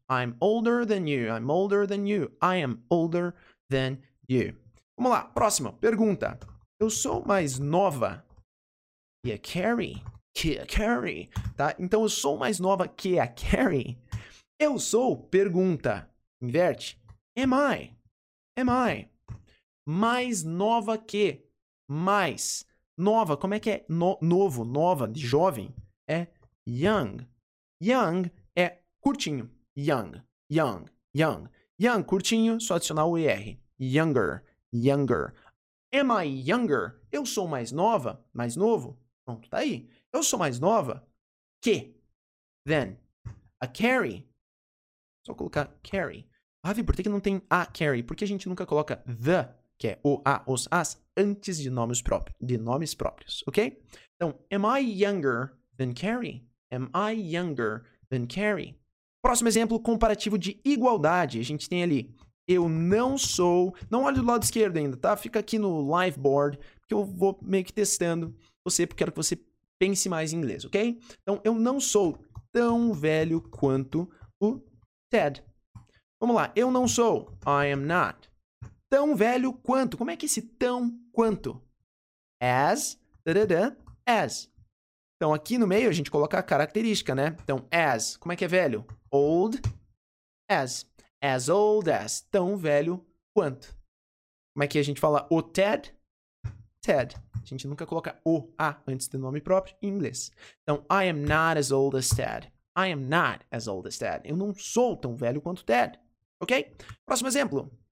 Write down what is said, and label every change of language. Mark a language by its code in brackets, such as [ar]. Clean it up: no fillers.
[en] I'm older than you, I'm older than you, I am older than you. [pt] Vamos lá, próxima pergunta. Eu sou mais nova que a Carrie. Que a Carrie, tá? Então, eu sou mais nova que a Carrie. Eu sou, pergunta, inverte. Am I, mais nova que, mais, nova. Como é que é novo, nova, de jovem? É young. Young é curtinho. Young, young, young. Young, curtinho, só adicionar o ER. [en] Younger, younger. Am I younger? [pt] Eu sou mais nova? Mais novo? Pronto, tá aí. Eu sou mais nova que? Then. A Carrie? Só colocar Carrie. Ah, Vi, por que não tem a Carrie? Porque a gente nunca coloca the, que é o a, os as, antes de nomes próprios, ok? [en] Então, am I younger than Carrie? Am I younger than Carrie? [pt] Próximo exemplo, comparativo de igualdade. A gente tem ali, eu não sou... Não olhe do lado esquerdo ainda, tá? Fica aqui no live board, que eu vou meio que testando você, porque quero que você pense mais em inglês, ok? Então, eu não sou tão velho quanto o Ted. Vamos lá, eu não sou, I am not, tão velho quanto. Como é que é esse tão quanto? As, da-da-da, as. Então, aqui no meio, a gente coloca a característica, né? Então, as, como é que é velho? Old, as. As old as, tão velho quanto. Como é que a gente fala o Ted? Ted. A gente nunca coloca o, a, antes do nome próprio, em inglês. [en] Então, I am not as old as Ted. I am not as old as Ted. [pt] Eu não sou tão velho quanto Ted. Ok? Próximo exemplo.